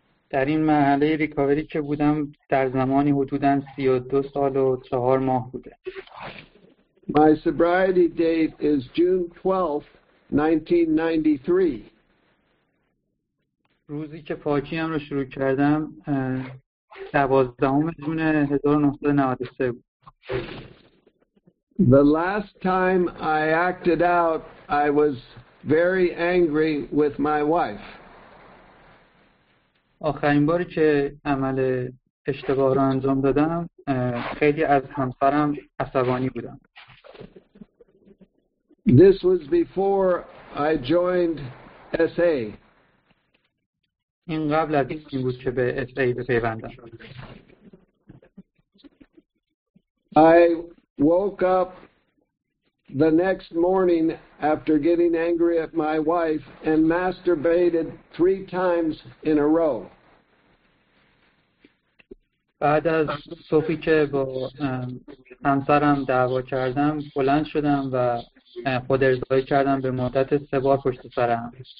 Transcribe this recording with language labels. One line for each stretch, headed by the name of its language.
Persian: در این مرحله ریکاوری که بودم در زمانی حدوداً 32 سال و 4 ماه بوده.
English: My sobriety date is June 12th, 1993.
Persian: روزی که پاکی ام رو شروع کردم 12 جون 1993 بود.
English: The last time I acted out, I was very angry with my wife.
Persian: آخرین باری که عمل اشتباه را انجام دادم، خیلی از همسرم عصبانی بودم.
English: This was before I joined SA.
Persian: این قبل از این بود که به SA بپیوندم.
English: I woke up the next morning after getting angry at my wife and masturbated 3 times in a row.
Persian: بعد از صبحی که با همسرم دعوا کردم بلند شدم و خودارضایی کردم به مدت 3 بار پشت سر هم.